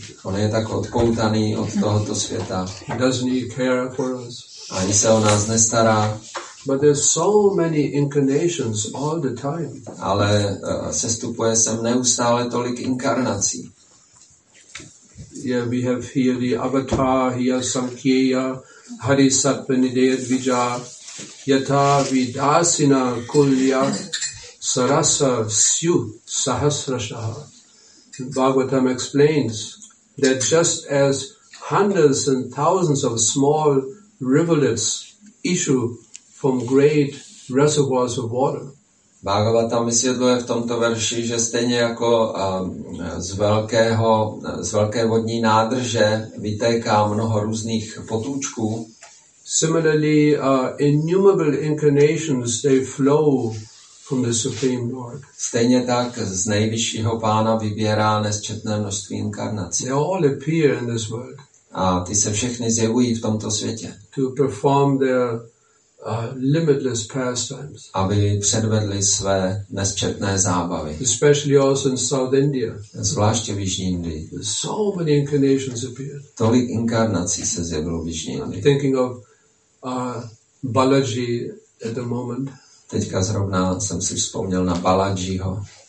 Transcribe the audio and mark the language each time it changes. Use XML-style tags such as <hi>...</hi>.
<cs>On je tak odpoutaný od tohoto světa.</cs> <en>Doesn't he care for us?</en> <cs>Ani se o nás nestará.</cs> <en>But there's so many incarnations all the time.</en> <cs>Ale sestupuje sem neustále tolik inkarnací.</cs> <en>Yeah, we have here the avatar, here</en> <sa>Sankhya, Hari Sattva Nideya Dvija, Yata Vidasina Kulya Sarasa Syu Sahasrashaha.</sa> <en>Bhagavatam explains that just as hundreds and thousands of small rivulets issue from great reservoirs of water,</en> <cs>Bhagavatam vysvětluje v tomto verši, že stejně jako z velké vodní nádrže vytéká mnoho různých potůčků.</cs> <en>Similarly, innumerable incarnations they flow from the Supreme Lord.</en> <cs>Stejně tak z nejvyššího pána vybírá nesčetné množství inkarnací.</cs> <en>They all appear in this world.</en> <cs>A ty se všechny zjevují v tomto světě.</cs> <en>To perform their limitless pastimes.</en> <cs>Aby předvedli své nesčetné zábavy.</cs> <en>Especially also in South India.</en> <cs>Zvláště v jižní Indii.</cs> <en>So many incarnations appeared.</en> <cs>Tolik inkarnací se zjevilo v jižní Indii.</cs> <en>Thinking of Balaji at the moment.</en> <cs>Teďka zrovna jsem si vzpomněl na Balajiho.</cs>